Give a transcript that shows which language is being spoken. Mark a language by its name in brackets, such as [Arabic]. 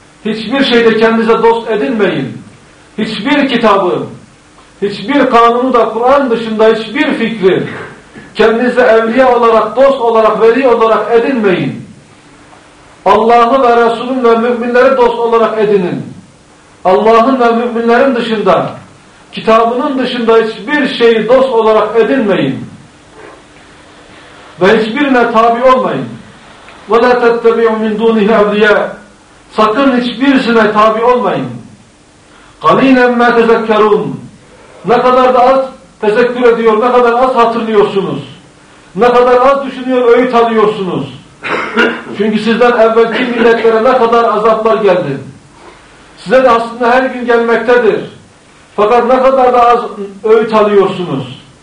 [Turkish] Hiçbir şeyde kendinize dost edinmeyin. Hiçbir kitabı, hiçbir kanunu da Kur'an dışında hiçbir fikri kendinize evliya olarak, dost olarak, veli olarak edinmeyin. Allah'ı ve Resul'ün ve müminleri dost olarak edinin. Allah'ın ve müminlerin dışında, kitabının dışında hiçbir şeyi dost olarak edinmeyin. Ve hiçbirine tabi olmayın. [Arabic] وَلَا تَتَّبِعُ مِنْ دُونِهِ اَوْلِيَا [Turkish] Sakın hiçbirisine tabi olmayın. [Arabic] قَلِينًا مَا تَذَكَّرُونَ [Turkish] Ne kadar da az tezekkür ediyor, ne kadar az hatırlıyorsunuz. Ne kadar az düşünüyor, öğüt alıyorsunuz. Çünkü sizden evvelki milletlere ne kadar azaplar geldi. Size de aslında her gün gelmektedir. Fakat ne kadar da az öğüt alıyorsunuz.